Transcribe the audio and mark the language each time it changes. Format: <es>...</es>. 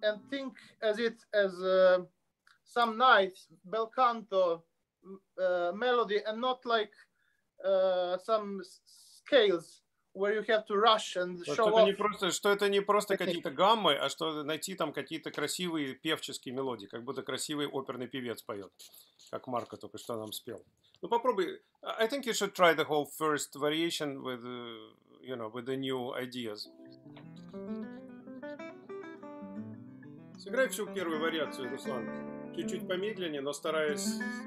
<en>think as it as some nice bel canto melody, and not like some scales where you have to rush and show off.</en> <ru>Что это не просто какие-то гаммы, а что найти там какие-то красивые певческие мелодии, как будто красивый оперный певец поет, как Марко только что нам спел. Ну попробуй.</ru> <en>I think you should try the whole first variation with, you know, with the new ideas.</en> <ru>Сыграй всю первую вариацию, Руслан. Чуть-чуть помедленнее, но стараясь.</ru>